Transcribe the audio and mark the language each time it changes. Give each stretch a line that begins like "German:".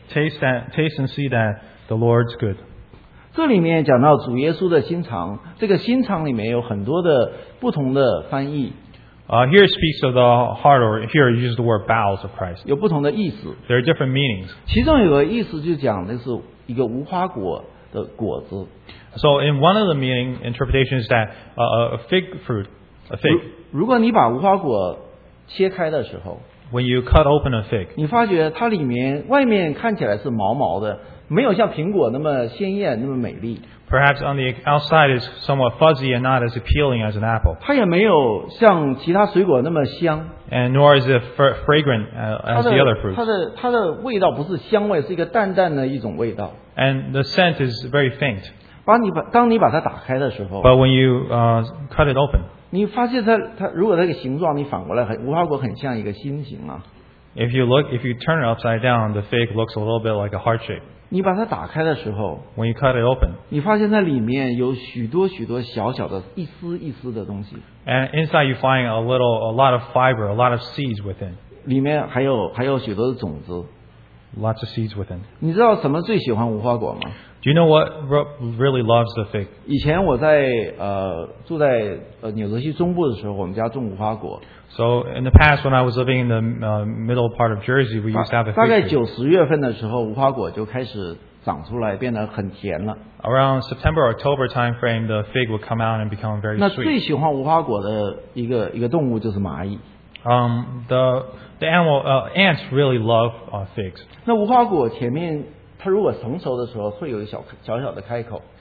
English: Taste and see that the Lord's good.
Chinese: 这里面讲到主耶稣的心肠，这个心肠里面有很多的不同的翻译。
English: Here it speaks of the heart, or here it uses the word bowels of Christ.
Chinese: 有不同的意思。
English: There are different meanings.
Chinese: 其中有个意思就讲的是一个无花果的果子。
English: So in one of the meaning interpretations is that a fig.
Chinese: 如果你把无花果切开的时候
English: ，When you cut open a fig，
Chinese: 你发觉它里面外面看起来是毛毛的，没有像苹果那么鲜艳那么美丽。
English: Perhaps on the outside is somewhat fuzzy and not as appealing as an apple。
Chinese: 它也没有像其他水果那么香。
English: And nor is it fragrant as the other fruits。
Chinese: 它的味道不是香味，是一个淡淡的一种味道。
English: And the scent is very faint。
Chinese: 当你把它打开的时候
English: ，But when you cut it open。
Chinese: 你发现它如果那个形状你反过来很无花果很像一个心形啊。
English: If you turn it upside down, the fig looks a little bit like a heart shape.
Chinese: 你把它打开的时候
English: ，When you cut it open,
Chinese: 你发现它里面有许多许多小小的一丝一丝的东西。
English: And inside you find a lot of fiber, a lot of seeds within.
Chinese: 里面还有许多的种子。
English: Lots of seeds within.
Chinese: 你知道什么最喜欢无花果吗？
English: Do you know what really loves the fig?
Chinese: 以前我在住在纽泽西中部的时候，我们家种无花果。
English: So in the past, when I was living in the middle part of Jersey, we used to have a fig tree.
Chinese: 大概九十月份的时候，无花果就开始长出来，变得很甜了。
English: Around September or October time frame, the fig would come out and become very sweet.
Chinese: 那最喜欢无花果的一个动物就是蚂蚁。
English: The animal ants really love figs.
Chinese: 那无花果前面它如果成熟的时候，会有一小小的开口。